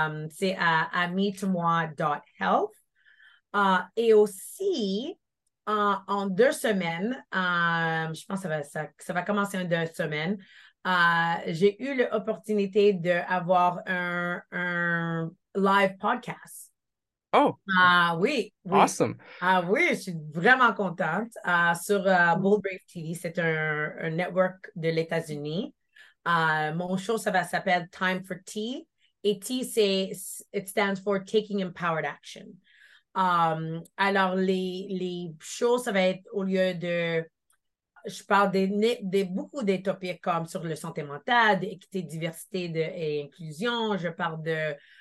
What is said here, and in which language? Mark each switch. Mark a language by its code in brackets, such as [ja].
[fr] C'est à meetmoi.health. Et aussi, en 2 semaines, je pense que ça va commencer en 2 semaines, j'ai eu l'opportunité d'avoir un live podcast. Oh, Ah oui. [en] awesome. [fr] Ah oui, je suis vraiment contente. Sur Bold Brave TV, c'est un network de l'États-Unis. Mon show, ça va s'appeler Time for Tea. Et [en] tea, it stands for Taking Empowered Action. [fr] Alors, les shows, ça va être au lieu de. Je parle beaucoup des topics comme sur la santé mentale, d'équité, diversité et inclusion. Je parle de.